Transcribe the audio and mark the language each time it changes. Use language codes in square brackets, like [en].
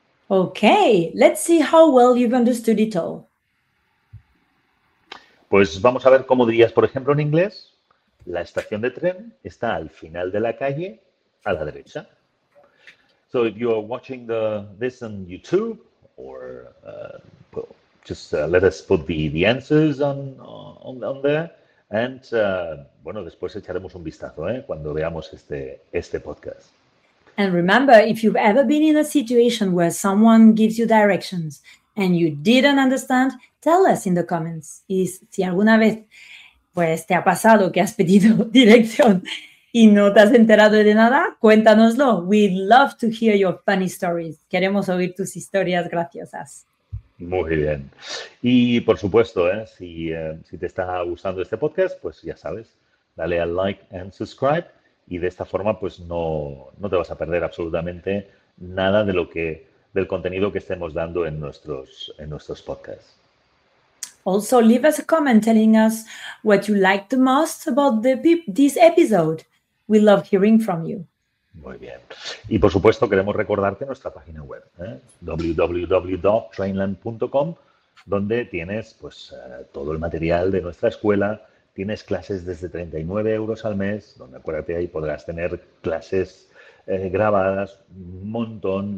[en] Okay, let's see how well you've understood it all. [es] Pues vamos a ver cómo dirías, por ejemplo, en inglés, la estación de tren está al final de la calle, a la derecha. [en] So if you are watching this on YouTube, or let us put the answers on there, and [es] bueno, después echaremos un vistazo, cuando veamos este podcast. [en] And remember, if you've ever been in a situation where someone gives you directions and you didn't understand, tell us in the comments. [es] Y si alguna vez pues te ha pasado que has pedido dirección y no te has enterado de nada, cuéntanoslo. [en] We'd love to hear your funny stories. [es] Queremos oír tus historias graciosas. Muy bien. Y por supuesto, si te está gustando este podcast, pues ya sabes, dale al [en] like and subscribe. [es] Y de esta forma, pues no te vas a perder absolutamente nada de lo que del contenido que estemos dando en nuestros podcasts. [en] Also, leave us a comment telling us what you liked the most about this episode. We love hearing from you. [es] Muy bien. Y por supuesto, queremos recordarte nuestra página web, www.trainland.com, donde tienes pues todo el material de nuestra escuela, tienes clases desde 39 euros al mes, donde acuérdate ahí podrás tener clases grabadas, un montón.